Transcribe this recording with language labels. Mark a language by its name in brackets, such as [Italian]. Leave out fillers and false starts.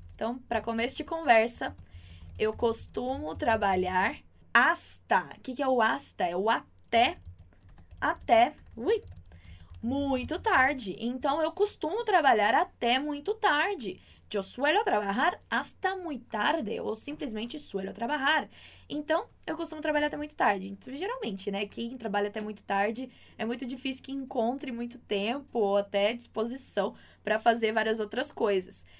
[Portuguese] Então, para começo de conversa, eu costumo trabalhar hasta. O que que é o hasta? É o até, ui, muito tarde. Então, eu costumo trabalhar até muito tarde. [Spanish] Yo suelo trabajar hasta muy tarde, [Portuguese] ou simplesmente [Spanish] suelo trabajar. [Portuguese] Então, eu costumo trabalhar até muito tarde. Então, geralmente, né? Quem trabalha até muito tarde é muito difícil que encontre muito tempo ou até disposição para fazer várias outras coisas.